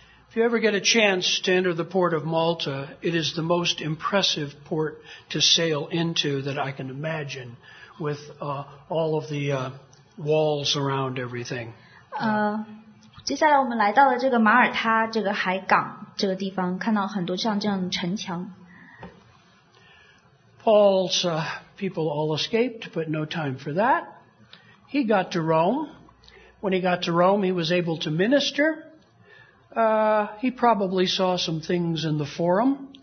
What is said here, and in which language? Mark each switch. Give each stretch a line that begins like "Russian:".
English: If you ever get a chance to enter the port of Malta, it is the most impressive port to sail into that I can imagine, with all of the walls around everything.
Chinese: 接下来我们来到了这个马耳他这个海港这个地方，看到很多像这样的城墙。Paul's
English: people all escaped, but no time for that. He got to Rome. When he got to Rome, he was able to minister. He probably saw some things in the forum.